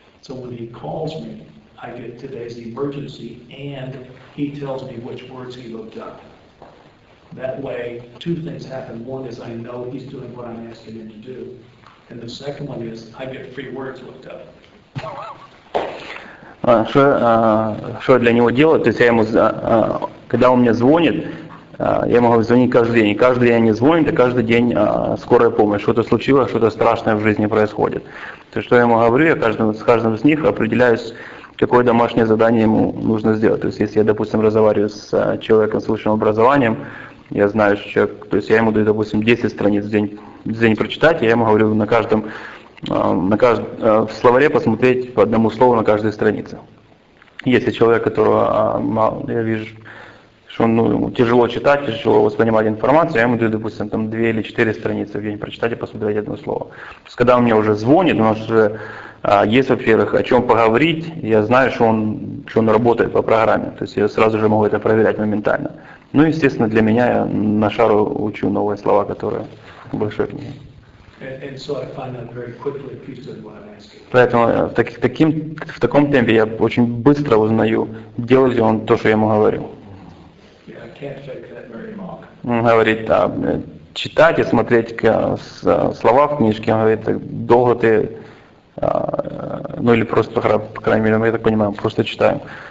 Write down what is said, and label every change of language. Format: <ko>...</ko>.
<en>So when he calls me, I get today's emergency, and he tells me which words he looked up. That way, two things happen. One is I know he's doing what I'm asking him to do. And the second one is I get free words looked up.</en> <ru>Что я для него делаю? То есть я ему, когда он мне звонит, я могу звонить каждый день. И каждый день они звонят, и каждый день скорая помощь. Что-то случилось, что-то страшное в жизни происходит. То есть, что я ему говорю, я с каждым из них определяюсь, какое домашнее задание ему нужно сделать. То есть, если я, допустим, разговариваю с человеком с высшим образованием, я знаю, что человек, то есть я ему даю, допустим, 10 страниц в день прочитать, и я ему говорю в словаре посмотреть по одному слову на каждой странице. Если человек, которого я вижу, что он, ну, ему тяжело читать, тяжело воспринимать информацию, я ему даю, допустим, там 2 или 4 страницы в день прочитать и посмотреть одно слово. То есть, когда он мне уже звонит, у нас уже есть, во-первых, о чем поговорить, я знаю, что он работает по программе, то есть я сразу же могу это проверять моментально. Ну, естественно, для меня я на шару учу новые слова, которые в большой книге.</ru> <en>And so I find out very quickly if he's doing what I'm asking.</en> <ru>Поэтому в таком темпе я очень быстро узнаю, делает ли он то, что я ему говорю.</ru> <en>Yeah, I can't fake that very long.</en> <ru>Он говорит, да, читать и смотреть слова в книжке, он говорит, долго ты, ну или просто, по крайней мере, мы, я так понимаю, просто читаем.</ru>